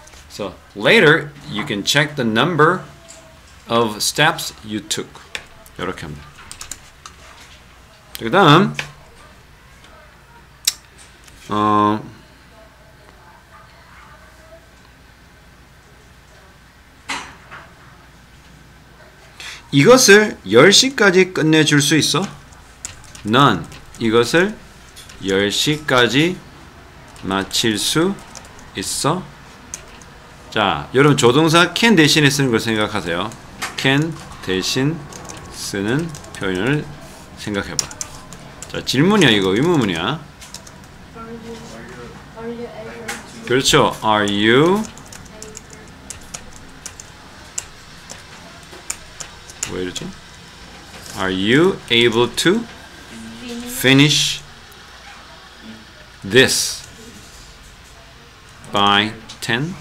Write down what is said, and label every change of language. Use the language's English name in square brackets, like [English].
[English] So later you can check the number of steps you took. [Korean] 이렇게 합니다. 그 다음 이것을 10시까지 끝내줄 수 있어? 넌 이것을 10시까지 마칠 수 있어? 자, 여러분 조동사 can 대신에 쓰는 걸 생각하세요. can 대신 쓰는 표현을 생각해봐. 자, 질문이야 이거, 의문문이야. [English] Are you [Korean] 그렇죠. [English] Are you Are you able to finish this by 10?